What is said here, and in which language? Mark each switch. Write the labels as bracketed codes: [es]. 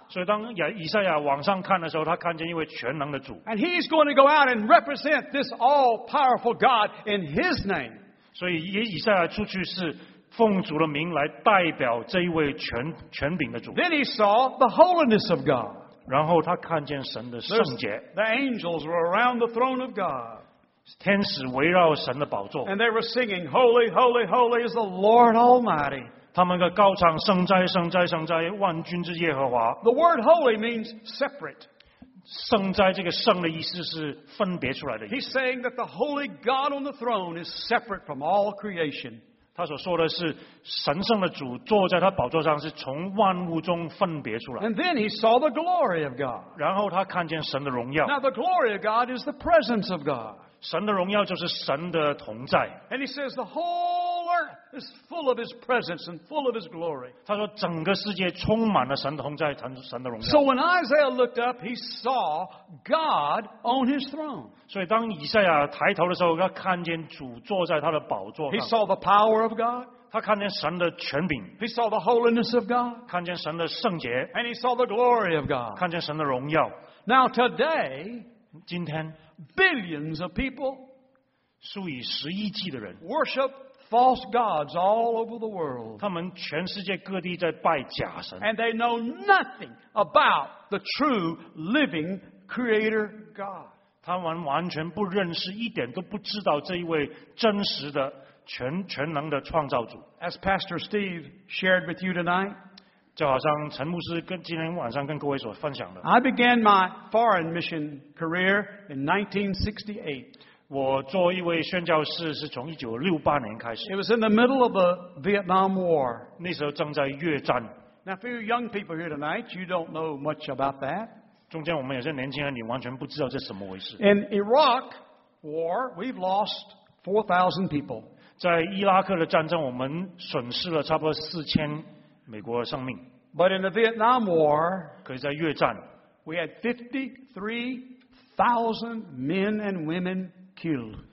[zh] 所以当以赛亚往上看的时候，他看见一位全能的主。 [en] And he's going to go out and represent this all-powerful God in his name. [zh] 所以以赛亚出去是奉主的名来代表这一位全柄的主。 [en] Then he saw the holiness of God. [zh] 然后他看见神的圣洁。 [en] The angels were around the throne of God. [zh] 天使围绕神的宝座 [en] And they were singing, Holy, Holy, Holy is the Lord Almighty. [zh] 他们的高唱圣哉圣哉圣哉万军之耶和华 [en] The word holy means separate. [zh] 圣哉这个圣的意思是分别出来的意思 [en] He's saying that the holy God on the throne is separate from all creation. [zh] 他所说的是神圣的主坐在他宝座上是从万物中分别出来 [en] And then he saw the glory of God. [zh] 然后他看见神的荣耀 [en] Now the glory of God is the presence of God. [zh] 神的荣耀就是神的同在。 [en] And he says the whole earth is full of his presence and full of his glory. [zh] 他说整个世界充满了神的同在，神的荣耀。 [en] So when Isaiah looked up, he saw God on his throne. [zh] 所以当以赛亚抬头的时候，他看见主坐在他的宝座上。 [en] He saw the power of God. [zh] 他看见神的权柄。 [en] He saw the holiness of God. [zh] 看见神的圣洁。 [en] And he saw the glory of God. [zh] 看见神的荣耀。 [en] Now today, [zh] 今天。 [en] Billions of people, [zh] 数以十亿计的人 [en] worship false gods all over the world. [zh] 他们全世界各地在拜假神 [en] and they know nothing about the true living Creator God. [zh] 他们完全不认识，一点都不知道这一位真实的全能的创造主 [en] As Pastor Steve shared with you tonight. [zh] 就好像陈牧师跟今天晚上跟各位所分享的。 [en] I began my foreign mission career in 1968. [zh] 我做一位宣教士是从1968年开始。 [en] It was in the middle of the Vietnam War. [zh] 那时候正在越战。 [en] Now for you young people here tonight, you don't know much about that. [zh] 中间我们有些年轻人，你完全不知道这是什么回事。 [en] In Iraq War, we've lost 4,000 people. [zh] 在伊拉克的战争，我们损失了差不多4,000。美国的生命 [en] But in the Vietnam War, [zh] 可是在越战 [en] we had 53,000 men and women killed.